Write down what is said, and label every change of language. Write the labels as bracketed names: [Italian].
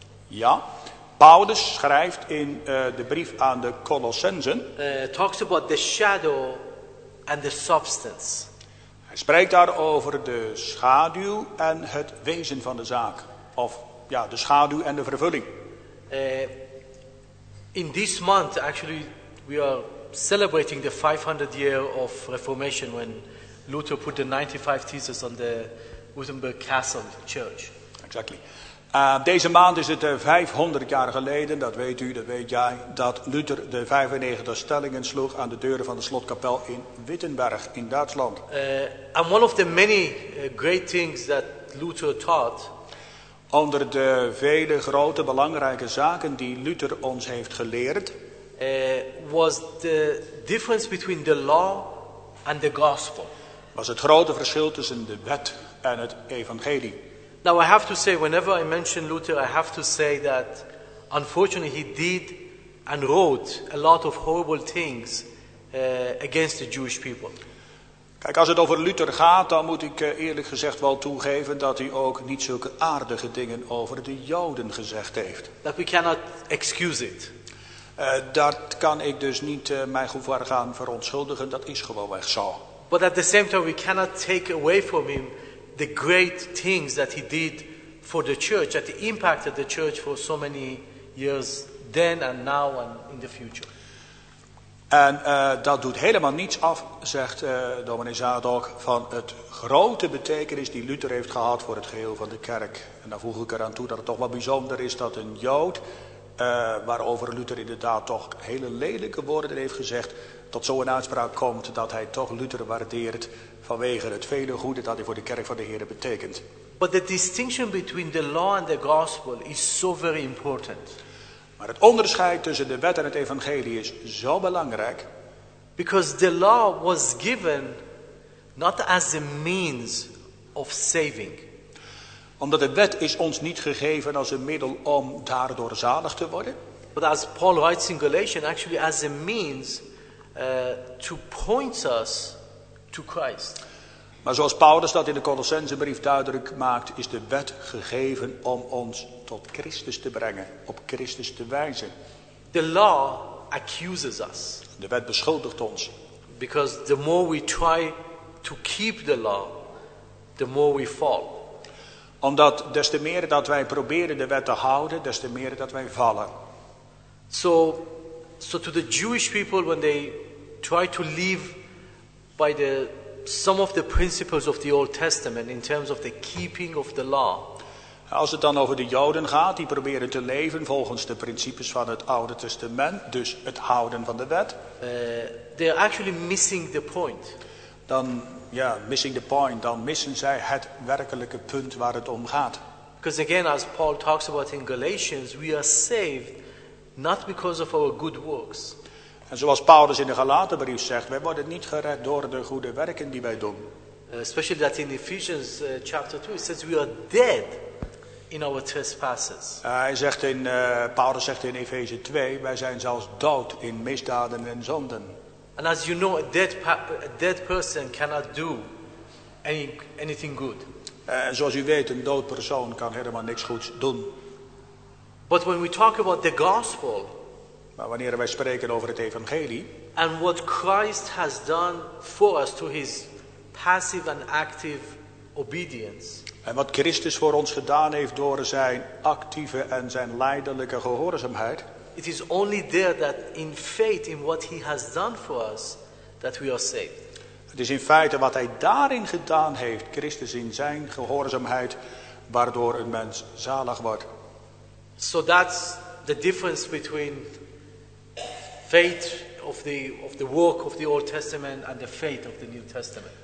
[Dutch] Ja, Paulus schrijft in de brief aan de Colossenzen. [English] Talks about the shadow and the substance. [Dutch] Hij spreekt daar over de schaduw en het wezen van de zaak, of ja, de schaduw en de vervulling. [English] In this month, actually, we are celebrating the 500 year of Reformation when Luther put the 95 theses on the Wittenberg Castle Church. Exactly. [Dutch] Deze maand is het 500 jaar geleden, dat weet u, dat weet jij, dat Luther de 95 stellingen sloeg aan de deuren van de slotkapel in Wittenberg in Duitsland. [English] And one of the many great things that Luther taught. [Dutch] Onder de vele grote belangrijke zaken die Luther ons heeft geleerd. [English] Was the difference between the law and the gospel. [Dutch] Was het grote verschil tussen de wet en het evangelie. [English] Now I have to say, whenever I mention Luther, I have to say that unfortunately he did and wrote a lot of horrible things against the Jewish people. [Dutch] Kijk, als het over Luther gaat, dan moet ik eerlijk gezegd wel toegeven dat hij ook niet zulke aardige dingen over de Joden gezegd heeft. [English] That we cannot excuse it. [Dutch] Dat kan ik dus niet mij goed voor gaan verontschuldigen. Dat is gewoon echt zo. [English] But at the same time, we cannot take away from him the great things that he did for the church, that he impacted the church for so many years then and now and in the future. [Dutch] En dat doet helemaal niets af, zegt dominee Zadok, van het grote betekenis die Luther heeft gehad voor het geheel van de kerk. En dan voeg ik eraan toe dat het toch wel bijzonder is dat een Jood, waarover Luther inderdaad toch hele lelijke woorden heeft gezegd, tot zo'n uitspraak komt dat hij toch Luther waardeert vanwege het vele goede dat hij voor de kerk van de Heer betekent. [English] But the distinction between the law and the gospel is so very important. [Dutch] Maar het onderscheid tussen de wet en het evangelie is zo belangrijk. [English] Because the law was given not as a means of saving. [Dutch] Omdat de wet is ons niet gegeven als een middel om daardoor zalig te worden. [English] But as Paul writes in Galatians, actually as a means to point us to Christ. [Dutch] Maar zoals Paulus dat in de Colossensebrief duidelijk maakt, is de wet gegeven om ons tot Christus te brengen, op Christus te wijzen. [English] The law accuses us. [Dutch] De wet beschuldigt ons. [English] Because the more we try to keep the law, the more we fall. [Dutch] Omdat des te meer dat wij proberen de wet te houden, des te meer dat wij vallen. [English] So to the Jewish people, when they try to live by the some of the principles of the Old Testament in terms of the keeping of the law. [Dutch] Als het dan over de Joden gaat, die proberen te leven volgens de principes van het Oude Testament, dus het houden van de wet. [English] They're actually missing the point. [Dutch] Dan, ja, [English] missing the point. [Dutch] Dan missen zij het werkelijke punt waar het om gaat. [English] Because again, as Paul talks about in Galatians, we are saved not because of our good works. [Dutch] En zoals Paulus in de Galatenbrief zegt, wij worden niet gered door de goede werken die wij doen. [English] Especially that in Ephesians chapter 2, it says we are dead in our trespasses. [Dutch] Paulus zegt in Efeze 2, wij zijn zelfs dood in misdaden en zonden. [English] And as you know, a dead person cannot do anything good. [Dutch] Zoals u weet, een dood persoon kan helemaal niks goeds doen. [English] But when we talk about the gospel, [Dutch] maar wanneer wij spreken over het evangelie, [English] and what Christ has done for us through his passive and active obedience, [Dutch] en wat Christus voor ons gedaan heeft door zijn actieve en zijn lijdelijke gehoorzaamheid, [English] it is only there that in faith in what he has done for us that we are saved. [Dutch] Het is in feite wat hij daarin gedaan heeft, Christus in zijn gehoorzaamheid, waardoor een mens zalig wordt. [English] So that's the difference between faith of the work of the Old Testament and the faith of the New Testament.